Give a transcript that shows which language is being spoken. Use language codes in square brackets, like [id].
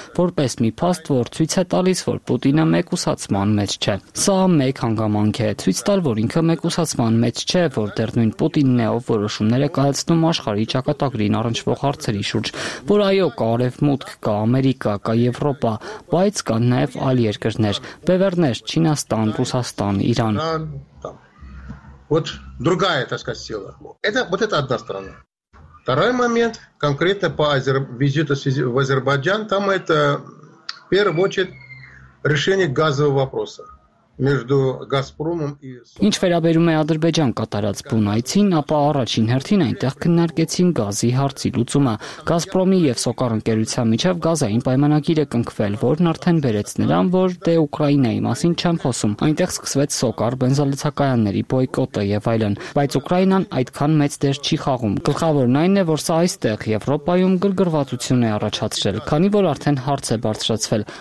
[hy] որպես մի փաստ, որ ցույց է տալիս, որ Պուտինը մեկուսացման մեջ չէ։ Սա մեկ հանգամանք է, ցույց տալ, որ ինքը մեկուսացման մեջ չէ, որ դեռ նույն Պուտինն է, ով որոշումները կայացնում աշխարհի ճակատագրին առնչվող հարցերի շուրջ, որ այո, կարևմուտք կա Ամերիկա, կա Եվրոպա, բայց կա նաև այլ երկրներ, բևեռներ, Չինաստան, Ռուսաստան, Իրան։ [ru] Вот другая, так сказать, сила. Это вот это одна сторона. Второй момент, конкретно по визиту в Азербайджан, там это, в первую очередь, решение газового вопроса. [hy] Ինչ վերաբերում է Ադրբեջան կատարած բունայցին, ապա առաջին հերթին այնտեղ քննարկեցին գազի հարցի լուծումը։ Գազպրոմի եւ Սոկար ընկերության միջև գազային պայմանագիր է կնքվել, որն արդեն բերեց նրան, որ դե Ուկրաինայի մասին չեմ խոսում։ Այնտեղ սկսվեց Սոկար բենզոլիցակայանների բոյկոտը եւ այլն, բայց Ուկրաինան այդքան մեծ դեր չի խաղում։ Գլխավորն այն է, որ սա այստեղ Եվրոպայում գրգռվածություն է առաջացրել, քանի որ արդեն հարց է բարձրացվել.